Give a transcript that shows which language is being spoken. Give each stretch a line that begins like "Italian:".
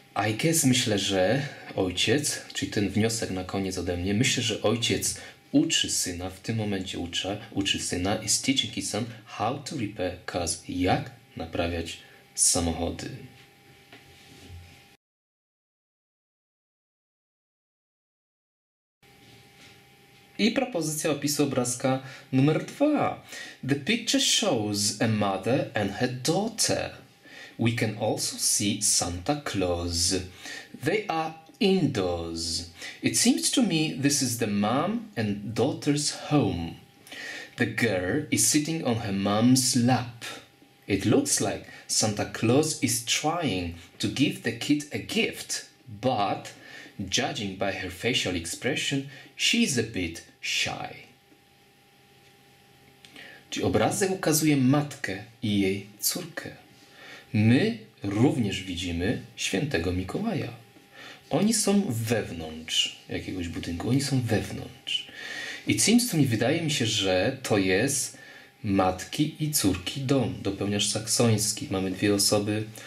English: I guess,
Polish: myślę, że ojciec, czyli ten wniosek na koniec ode mnie, myślę, że ojciec uczy syna, w tym momencie uczy syna,
English: is teaching his son how to repair cars,
Polish: jak naprawiać samochody. I propozycja opisu obrazka numer 2.
English: The picture shows a mother and her daughter. We can also see Santa Claus. They are indoors. It seems to me this is the mom and daughter's home. The girl is sitting on her mom's lap. It looks like Santa Claus is trying to give the kid a gift, but judging by her facial expression, she's a bit shy.
Polish: Czyli obrazek ukazuje matkę i jej córkę. My również widzimy świętego Mikołaja. Oni są wewnątrz jakiegoś budynku, oni są wewnątrz.
English: I seems to me,
Polish: wydaje mi się, że to jest matki i córki dom, dopełniacz saksoński. Mamy dwie osoby.